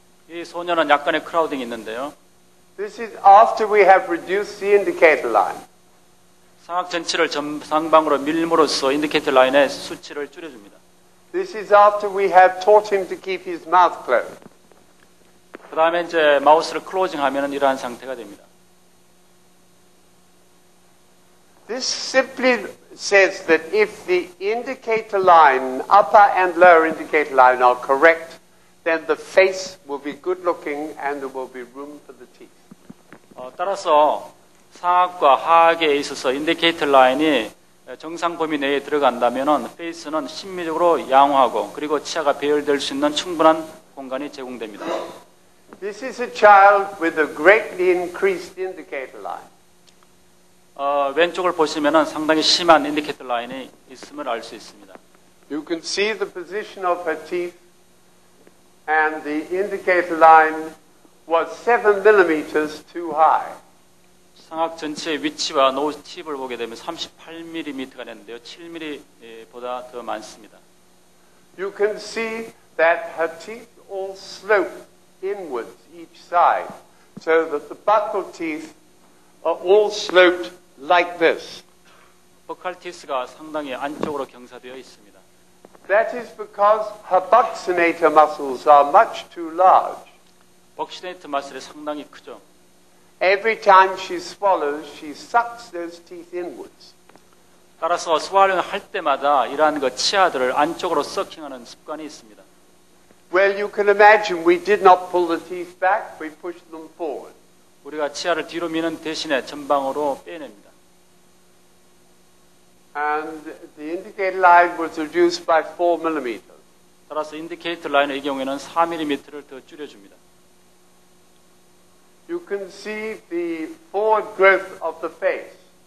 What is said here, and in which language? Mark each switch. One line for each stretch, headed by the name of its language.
Korean: 이 소년은 약간의 크라우딩이 있는데요.
English: This is after we have reduced the indicator line.
Korean: 상악 전치를 전상방으로 밀므로써 인디케이터 라인의 수치를 줄여줍니다.
English: This is after we have taught him to keep his mouth closed.
Korean: 그 다음에 이제 마우스를 클로징하면 이러한 상태가 됩니다.
English: This simply says that if the indicator line, upper and lower indicator line are correct, then the face will be good looking and there will be room for the teeth.
Korean: 따라서 상악과 하악에 있어서 인디케이터 라인이 정상 범위 내에 들어간다면은 페이스는 심미적으로 양호하고 그리고 치아가 배열될 수 있는 충분한 공간이 제공됩니다.
English: This is a child with a greatly increased indicator line.
Korean: 왼쪽을 보시면은 상당히 심한 인디케이터 라인이 있음을 알 수 있습니다.
English: You can see the position of her teeth. And the indicator line was 7 millimeters too high.
Korean: 상악 전체의 위치와 노우 팁을 보게 되면 38mm가 됐는데요. 7mm보다 더 많습니다.
English: You can see that her teeth all slope inwards each side, so that the buccal teeth are all sloped like this.
Korean: 버칼 티스가 상당히 안쪽으로 경사되어 있습니다.
English: That is because her buccinator muscles are much too large.
Korean: 벅시네이터 마술이 상당히 크죠.
English: Every time she swallows, she sucks those teeth inwards.
Korean: 따라서 스와링을 할 때마다 이러한 그 치아들을 안쪽으로 서킹하는 습관이 있습니다.
English: Well, you can imagine we did not pull the teeth back, we pushed them forward.
Korean: 우리가 치아를 뒤로 미는 대신에 전방으로 빼냅니다.
English: And the indicator line was reduced by 4 millimeters.
Korean: 따라서 인디케이터 라인의 경우에는 4mm를 더 줄여줍니다.
English: You can see the forward growth of the face.